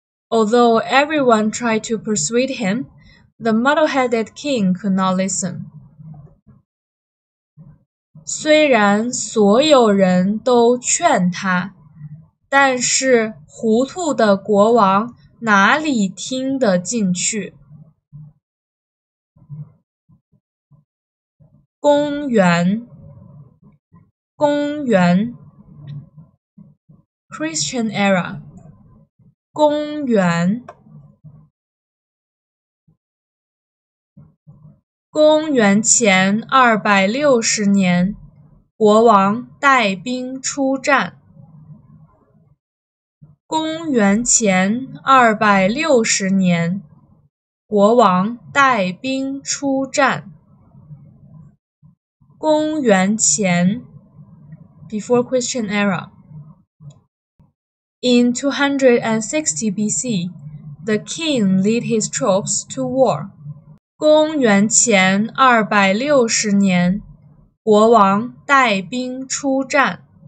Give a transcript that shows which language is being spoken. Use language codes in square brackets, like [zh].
[en] Although everyone tried to persuade him, the muddle-headed king could not listen. [zh] 虽然所有人都劝他，但是糊涂的国王哪里听得进去？公园 [en] Christian era [zh] 公园公元前260年，国王带兵出战。公元前260年，国王带兵出战。公元前 [en] ，before Christian era。 In 260 BC, the king led his troops to war. [zh] 公元前260年，国王带兵出战。